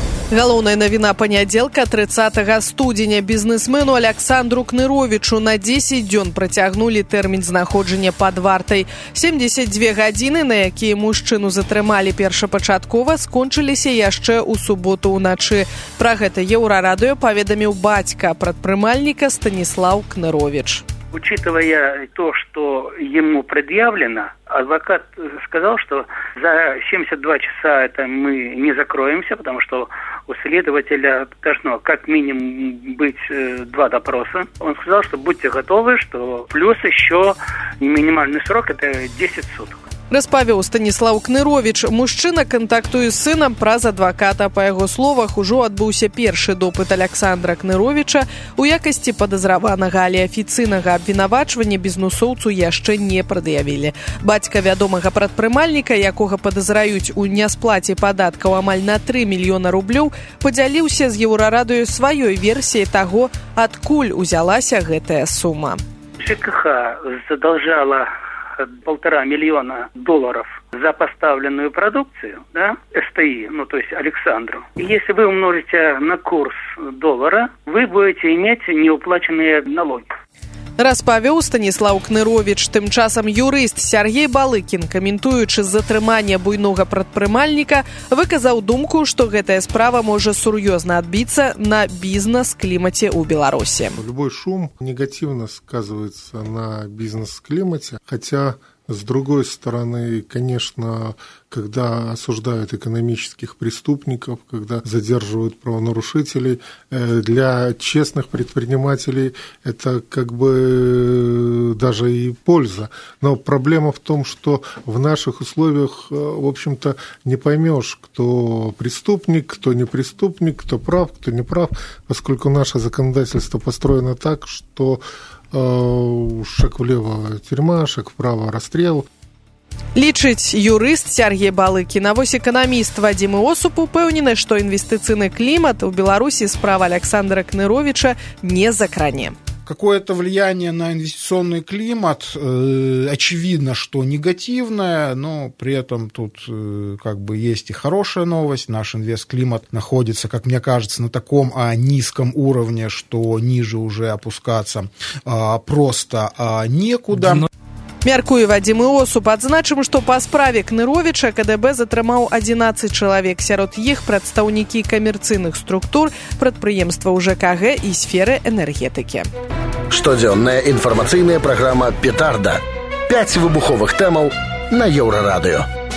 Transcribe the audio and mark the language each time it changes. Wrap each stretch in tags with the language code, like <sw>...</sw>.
<be>Галоўная навіна панядзелка 30 студзеня. Бізнесмену Аляксандру Кнырэвічу на 10 дзён працягнулі тэрмін знаходжання пад вартай. 72 гадзіны, на якія мужчыну затрымалі першапачаткова, скончыліся яшчэ ў суботу ўначы. Пра гэта Еўрарадыё паведаміў бацька прадпрымальніка Станіслаў Кнырэвіч.</be> <ru>Учитывая то, что ему предъявлено, адвокат сказал, что за 72 часа это мы не закроемся, потому что у следователя должно как минимум быть два допроса. Он сказал, что будьте готовы, что плюс еще минимальный срок – это 10 суток.</ru> <be>Распавёў Станіслаў Кнырэвіч. Мужчына кантактуе з сынам праз адваката. Па яго словах, ужо адбыўся першы допыт Аляксандра Кнырэвіча ў якасці падазраванага, але афіцыйнага абвінавачвання бізнэсоўцу яшчэ не прад'явілі. Бацька вядомага прадпрымальніка, якога падазраюць у нясплаце падаткаў амаль на 3 мільёна рублёў, падзяліўся з Еўрарадыё сваёй версіяй таго, адкуль узялася гэтая сума.</be> <ru>ЖКХ задолжала 1,5 миллиона долларов за поставленную продукцию, да, СТИ, ну, то есть Александру. Если вы умножите на курс доллара, вы будете иметь неуплаченные налоги.</ru> <be>Распавёў Станіслаў Кнырэвіч. Тым часам юрыст Сергей Балыкін, каментуючы затрымання буйнога прадпрымальніка, выказаў думку, што гэтая справа можа сур'ёзна адбіцца на бізнес-клімаце ў Беларусі.</be> <ru>Любой шум</ru> <be>негатыўна сказваецца на бізнес-клімаце,</be> <ru>хаця с другой стороны, конечно, когда осуждают экономических преступников, когда задерживают правонарушителей, для честных предпринимателей это как бы даже и польза. Но проблема в том, что в наших условиях, в общем-то, не поймешь, кто преступник, кто не преступник, кто прав, кто не прав, поскольку наше законодательство построено так, что шаг влево – тюрьма, шаг вправо – расстрел.</ru> <be>Лічыць юрыст Сергей Балыкін. А вось эканаміст Вадзім Іосуп упэўнены, што інвестыцыйны клімат у Беларусі справа Аляксандра Кнырэвіча не закране.</be> <ru>Какое-то влияние на инвестиционный климат, очевидно, что негативное, но при этом тут как бы есть и хорошая новость. Наш инвест-климат находится, как мне кажется, на таком низком уровне, что ниже уже опускаться просто некуда.</ru> <be>Мяркуе Вадзім Іосуп. Адзначым, што па справе Кнырэвіча КДБ затрымаў 11 чалавек, сярод іх прадстаўнікі камерцыйных структур, прадпрыемстваў ЖКГ і сферы энергетыкі. Штодзённая інфармацыйная праграма «Петарда». 5 выбуховых тэмаў на Еўрарадыё.</be>